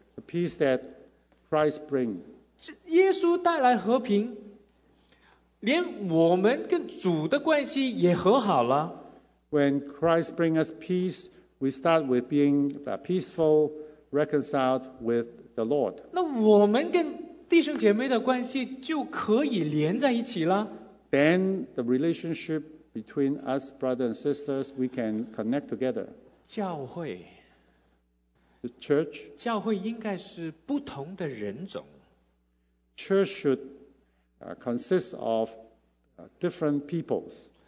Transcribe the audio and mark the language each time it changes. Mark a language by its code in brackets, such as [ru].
[en] the peace that Christ brings. [zh] 耶稣带来和平, 连我们跟主的关系也和好了。 [en] When Christ brings us peace, we start with being peaceful, reconciled with the Lord. [zh] 那我们跟弟兄姐妹的关系就可以连在一起了。 [en] Then the relationship between us, brothers and sisters, we can connect together. [zh] 教会, [en] the church, [zh] 教会应该是不同的人种。 [en] Church should consist of different peoples,